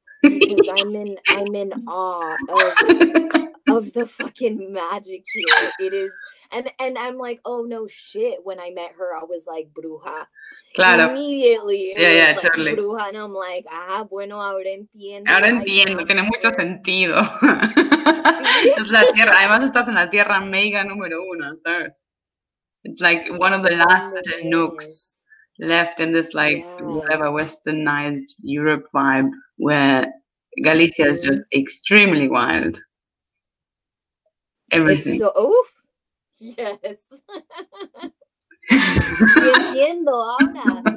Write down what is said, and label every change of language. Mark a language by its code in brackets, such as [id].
[en] Because I'm in awe of the fucking magic here. It is. And I'm like, oh no shit. When I met her, I was like, bruja. [es] Claro. [en] Immediately. Yeah, like, totally. [es] Bruja. [en] And I'm like, [es] ah, bueno, ahora entiendo. Ahora entiendo, tiene mucho sentido. ¿Sí? Es la tierra. Además, estás en la tierra mega número uno, ¿sabes? [en] It's like one of the last little nooks left in this, like, whatever, westernized Europe vibe where Galicia is just extremely wild. Everything. It's so oof. Yes. [es] Entiendo ahora.